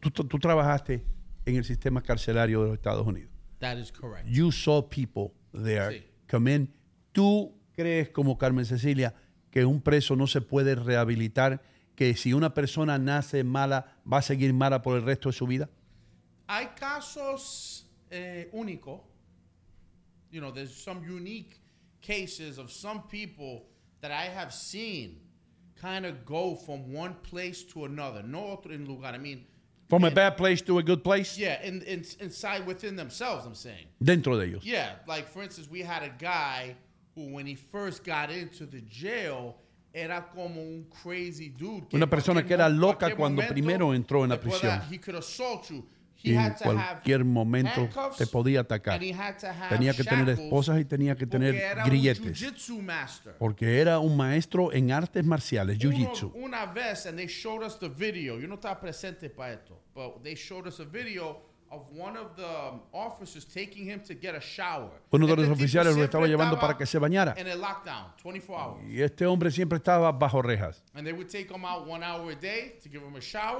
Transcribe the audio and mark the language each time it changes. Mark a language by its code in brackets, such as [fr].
[es] Tú trabajaste en el sistema carcelario de los Estados Unidos. [en] That is correct. You saw people there, [es] sí, [en] come in. [es] ¿Tú crees, como Carmen Cecilia, que un preso no se puede rehabilitar, que si una persona nace mala, va a seguir mala por el resto de su vida? Hay casos únicos. [en] You know, there's some unique cases of some people that I have seen kind of go from one place to another. [es] No otro en lugar. [en] I mean, from a bad place to a good place? Yeah, inside within themselves, I'm saying. [es] Dentro de ellos. [en] Yeah, like for instance, we had a guy who when he first got into the jail, [es] era como un [en] crazy dude. [es] Una persona que era loca cuando primero entró en la prisión. [en] He could assault you. [es] Y en cualquier momento te podía atacar. Tenía que tener esposas y tenía que tener grilletes. Porque era un maestro en artes marciales, jiu-jitsu. Una vez, [en] and they showed us the video, [es] yo no estaba presente para esto, [en] but they showed us a video of one of the officers taking him to get a shower. [es] Uno de los oficiales lo estaba llevando para que se bañara. [en] In a lockdown, 24 hours. [es] Y este hombre siempre estaba bajo rejas. [en] And they would take him out 1 hour a day to give him a shower.